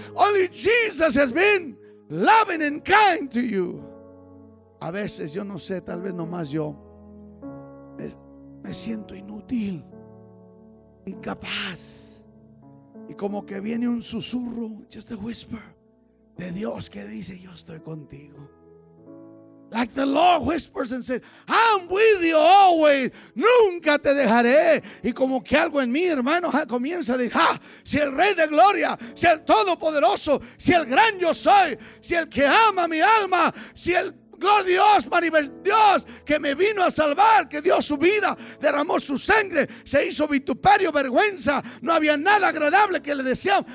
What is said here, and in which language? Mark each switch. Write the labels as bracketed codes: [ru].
[en] Only Jesus has been loving and kind to you. [es] A veces yo no sé, tal vez nomás yo me siento inútil, incapaz, y como que viene un susurro, [en] just a whisper, [es] de Dios que dice: yo estoy contigo. [en] Like the Lord whispers and says, I'm with you always. [es] Nunca te dejaré. Y como que algo en mí, hermano, comienza a decir: ah, si el Rey de Gloria, si el Todopoderoso, si el Gran Yo Soy, si el que ama mi alma, si el Gloria a Dios, Dios que me vino a salvar, que dio su vida, derramó su sangre, se hizo vituperio, vergüenza, no había nada agradable que le deseaba.